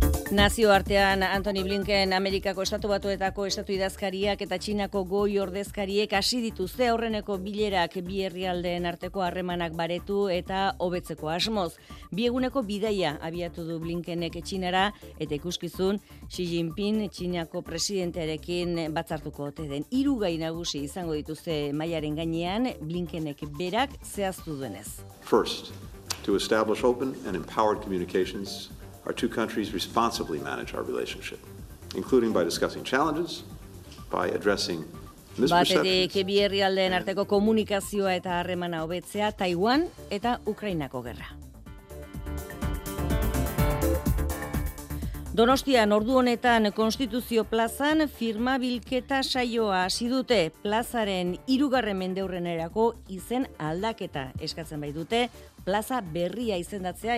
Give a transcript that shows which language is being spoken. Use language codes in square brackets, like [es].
[eu] Nazioartean Anthony Blinken Amerikako Estatu Batuetako estatu idazkariak eta Txinako goi ordezkariek hasi dituzte aurreneko bilerak bi herrialdeen arteko harremanak baretu eta hobetzeko asmoz. Bi eguneko bidaia abiatu du Blinkenek Txinara eta ikuskizun Xi Jinping Txinako presidentearekin batzartuko ote den. Hiru gai nagusi izango dituzte mailaren gainean Blinkenek berak zehaztu duenez. [en] First, to establish open and empowered communications. Our two countries responsibly manage our relationship, including by discussing challenges, by addressing misperceptions. [eu] Bi herrialdeen arteko komunikazioa eta harremana hobetzea, Taiwan eta Ukrainako gerra. Donostian ordu honetan Konstituzio plazan firma bilketa saioa hasi dute. Plazaren 3. mendeurrenerako izen aldaketa eskatzen baitute, plaza berria izendatzea.